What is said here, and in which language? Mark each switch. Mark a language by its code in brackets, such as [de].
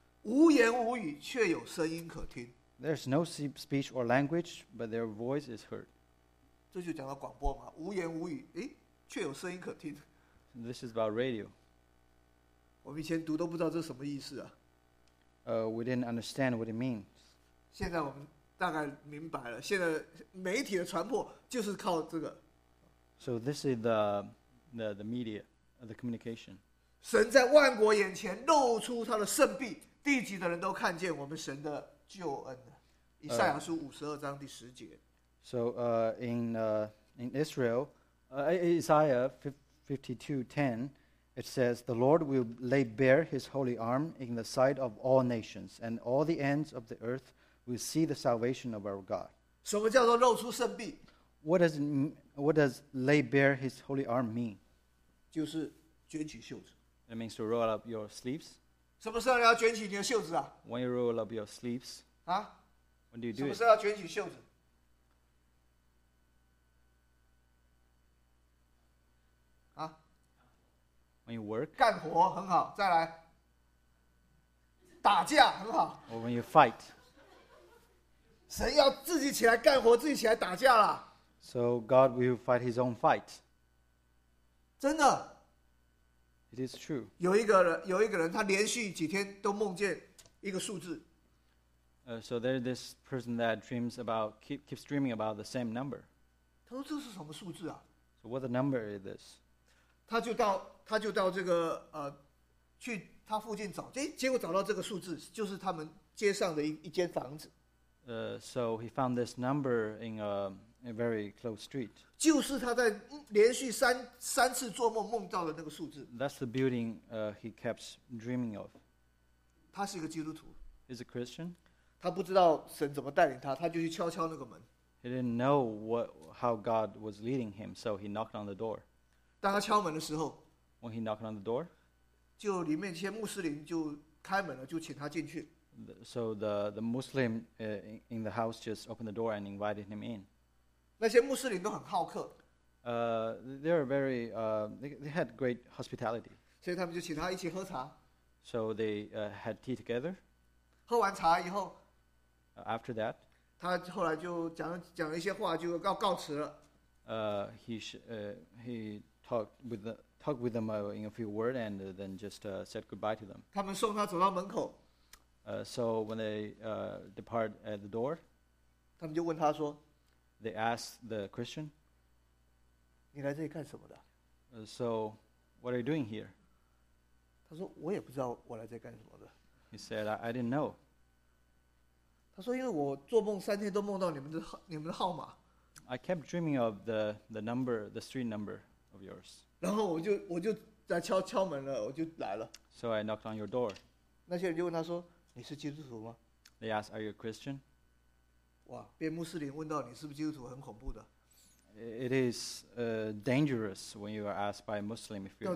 [zh] 无言无语，却有声音可听。 [en] There's no speech or language, but their voice is heard. [zh] 这就讲到广播嘛，无言无语，诶，却有声音可听。 [en] This is about radio. [zh] 我们以前读都不知道这是什么意思啊。 [en] We didn't understand what it means. [zh] 现在我们大概明白了，现在媒体的传播就是靠这个。 [en] So this is the media, the communication. [zh] 神在万国眼前露出他的圣臂，地极的人都看见我们神的救恩。以赛亚书五十二章第十节。 [en] So in Israel, Isaiah 52:10, it says, The Lord will lay bare his holy arm in the sight of all nations, and all the ends of the earth will see the salvation of our God. [zh] 什么叫做露出圣臂? [en] What does lay bare his holy arm mean? [zh] 就是卷起袖子。 [en] It means to roll up your sleeves. [zh] 什么时候要卷起你的袖子啊? [en] When you roll up your sleeves, 啊? When do you do it? [zh] 什么时候要卷起袖子? [en] When you work, [zh] 干活很好，再来打架很好。 [en] Or when you fight, [zh] 神要自己起来干活，自己起来打架了。 [en] So God will fight His own fight. [zh] 真的 [en] ，It is true. [zh] 有一个人，他连续几天都梦见一个数字。 [en] So there is this person that dreams about keeps dreaming about the same number. [zh] 他说这是什么数字啊 [en] ？So what the number is this? [zh] 他就到这个去他附近找，结果找到这个数字，就是他们街上的一间房子。 [en] So he found this number in a very close street. [zh] 就是他在连续三次做梦梦到的那个数字。 [en] That's the building he kept dreaming of. [zh] 他是一个基督徒。 [en] He's a Christian. [zh] 他不知道神怎么带领他，他就去敲敲那个门。 [en] He didn't know how God was leading him, so he knocked on the door. [zh] 当他敲门的时候。 [en] When he knocked on the door, [zh] 就里面一些穆斯林就开门了，就请他进去。 [en] So the Muslim in the house just opened the door and invited him in. [zh] 那些穆斯林都很好客。 [en] They are very they had great hospitality. [zh] 所以他们就请他一起喝茶。 [en] So they had tea together. [zh] 喝完茶以后 [en] ，After that, [zh] 他后来就讲一些话，就告辞了。 [en] He talked with the Talk with them in a few words and then just said goodbye to them. [zh] 他们送他走到门口。 [en] So when they depart at the door, [zh] 他们就问他说, [en] they ask the Christian, [zh] 你来这里干什么的? [en] So what are you doing here? [zh] 他说, 我也不知道我来这里干什么的。 [en] He said, I didn't know. [zh] 他说, 因为我做梦三天都梦到你们的号码。 [en] I kept dreaming of the number, the street number of yours. [zh] 然后我就来敲门了，我就来了。 [en] So I knocked on your door. [zh] 那些人就问他说：“ 你是基督徒吗？ [en] They ask, are you a Christian? [zh] 哇，变穆斯林问到你是不是基督徒，很恐怖的。 [en] It is dangerous when you are asked by a Muslim if you're a Christian or not.